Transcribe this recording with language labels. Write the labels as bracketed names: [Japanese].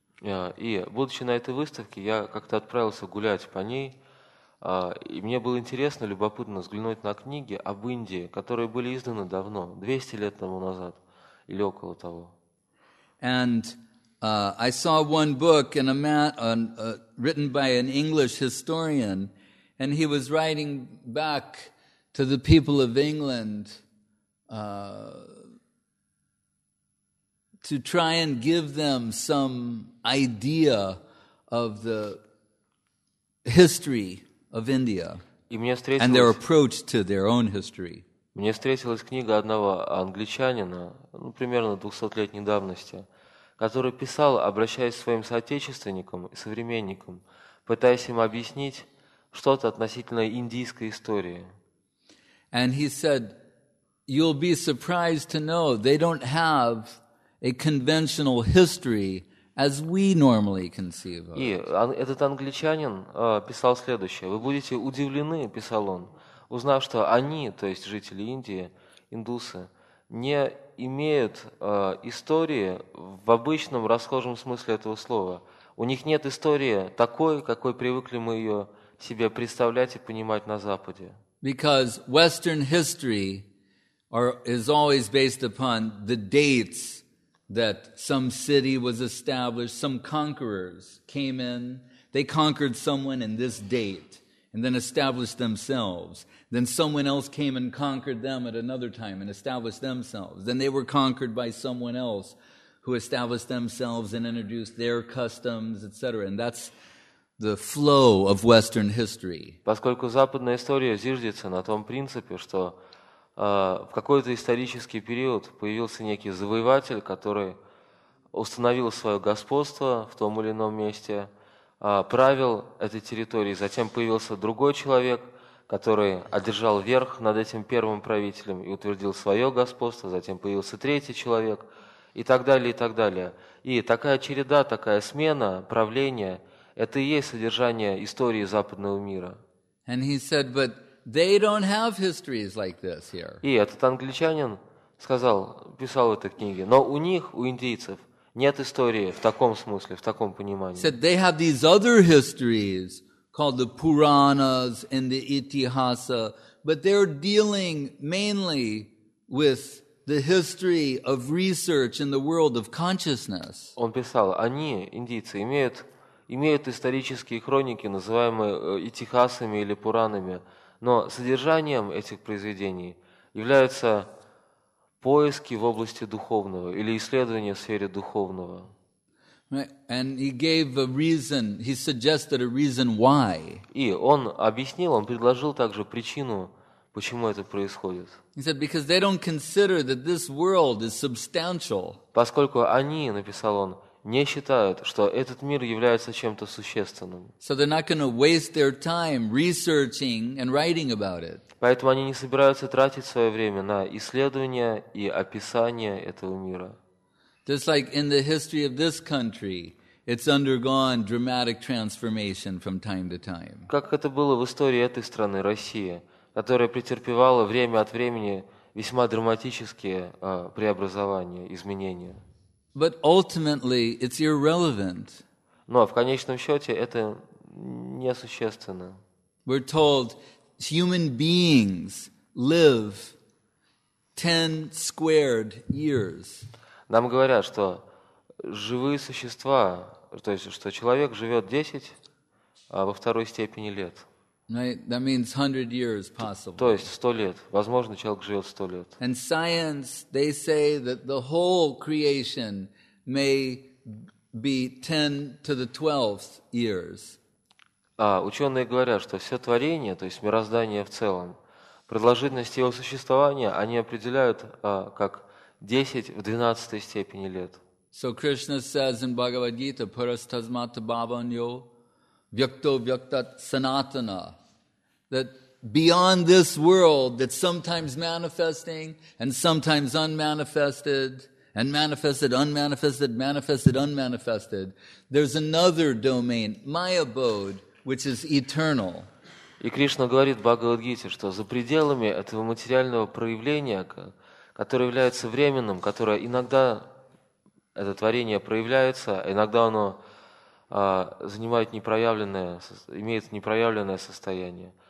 [Russian] И будучи на этой выставке, я как-то отправился гулять по ней, и мне было интересно, любопытно взглянуть на книги об Индии, которые были изданы давно, 200 лет тому назад, или около того. [English] And I saw one book in a written by an English historian, and he was writing back to the people of England to try and give them some idea of the history of India and their approach to their own history. [Russian] Мне встретилась книга одного англичанина, ну, примерно 200-летней давности, который писал, обращаясь к своим соотечественникам и современникам, пытаясь им объяснить что-то относительно индийской истории. [English] And he said, you'll be surprised to know they don't have a conventional history as we normally conceive of. [Russian] И этот англичанин писал следующее. Вы будете удивлены, писал он, узнав, что они, то есть жители Индии, индусы, не имеют истории в обычном расхожем смысле этого слова. У них нет истории такой, какой привыкли мы ее себе представлять и понимать на Западе. [English] Because Western history is always based upon the dates that some city was established, some conquerors came in, they conquered someone in this date and then established themselves. Then someone else came and conquered them at another time and established themselves. Then they were conquered by someone else who established themselves and introduced their customs, etc. And that's the flow of Western history. [Russian] Поскольку западная история зиждется на том принципе, что в какой-то исторический период появился некий завоеватель, который установил свое господство в том или ином месте, правил этой территорией, затем появился другой человек, который одержал верх над этим первым правителем и утвердил свое господство, затем появился третий человек и так далее, и так далее. И такая череда, такая смена правления – это и есть содержание истории западного мира. [English] And he said, but they don't have histories like this here. [Russian] И этот англичанин сказал, писал в этой книге, но у них, у индийцев, нет истории в таком смысле, в таком понимании. [English] Said they have these other histories, called the Puranas and the Itihasa, but they're dealing mainly with the history of research in the world of consciousness. [Russian] Он писал, они, индийцы, имеют исторические хроники, называемые Итихасами или Пуранами, но содержанием этих произведений являются поиски в области духовного или исследования в сфере духовного. [English] And he gave a reason, he suggested a reason why. [Russian] И он объяснил, он предложил также причину, почему это происходит. [English] He said, because they don't consider that this world is substantial. [Russian] Поскольку они, написал он, не считают, что этот мир является чем-то существенным. [English] So they're not going to waste their time researching and writing about it. [Russian] Поэтому они не собираются тратить свое время на исследование и описание этого мира. [English] Just like in the history of this country, it's undergone dramatic transformation from time to time. [Russian] Как это было в истории этой страны, России, которая претерпевала время от времени весьма драматические преобразования, изменения. [English] But ultimately, it's irrelevant. [Russian] Но в конечном счете это несущественно. [English] We're told human beings live 10 squared years. [Russian] Нам говорят, что живые существа, то есть, что человек живет 10 во второй степени лет. [English] Right, that means 100 years possible. [Russian] То есть 100 лет. Возможно, человек живет 100 лет. [English] And science, they say that the whole creation may be 10 to the 12th years. [Russian] А ученые говорят, что все творение, то есть мироздание в целом, продолжительность его существования, они определяют как 10 в 12 степени лет. [English] So Krishna says in Bhagavad Gita, [Sanskrit] Purastasmata Bhavanyo, Vyakto Vyaktat Sanatana, [English] that beyond this world that's sometimes manifesting and sometimes unmanifested, and manifested, unmanifested, manifested, unmanifested, there's another domain, my abode, which is eternal. [Russian] И Кришна говорит в Бхагавад Гите, что за пределами этого материального проявления, которое является временным, которое иногда это творение проявляется, иногда оно занимает непроявленное, имеет непроявленное состояние.